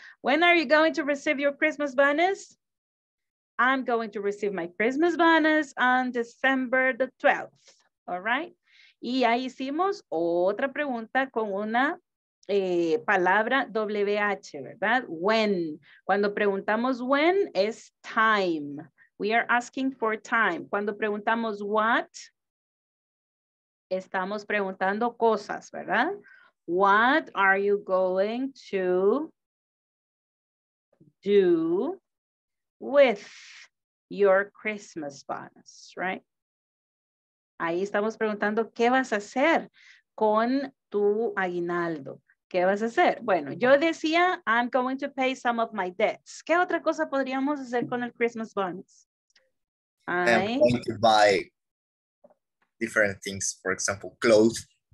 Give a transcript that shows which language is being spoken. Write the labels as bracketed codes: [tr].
[en] When are you going to receive your Christmas bonus? I'm going to receive my Christmas bonus on December the 12th. All right. [es] Y ahí hicimos otra pregunta con una palabra WH, ¿verdad? When. Cuando preguntamos when es time. [en] We are asking for time. [es] Cuando preguntamos what, estamos preguntando cosas, ¿verdad? [en] What are you going to do with your Christmas bonus, right? [es] Ahí estamos preguntando, ¿qué vas a hacer con tu aguinaldo? ¿Qué vas a hacer? Bueno, yo decía, [en] I'm going to pay some of my debts. [es] ¿Qué otra cosa podríamos hacer con el Christmas bonus? [en] I'm going to buy different things, for example, clothes.